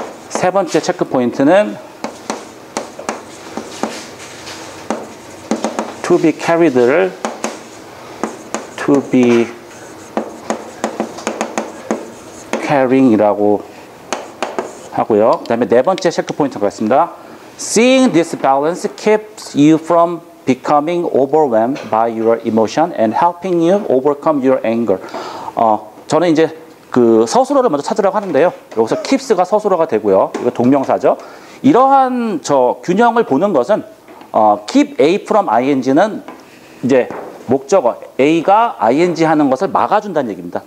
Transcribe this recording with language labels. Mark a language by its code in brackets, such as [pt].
[ko] 세 번째 체크 포인트는 to be carried를 to be caring이라고 하고요. 그 다음에 네 번째 체크포인트 가겠습니다. [en] Seeing this balance keeps you from becoming overwhelmed by your emotion and helping you overcome your anger. [ko] 저는 이제 그 서술어를 먼저 찾으라고 하는데요. 여기서 keeps가 서술어가 되고요. 이거 동명사죠. 이러한 저 균형을 보는 것은 keep A from ing는 이제 목적어 A가 ing 하는 것을 막아준다는 얘기입니다.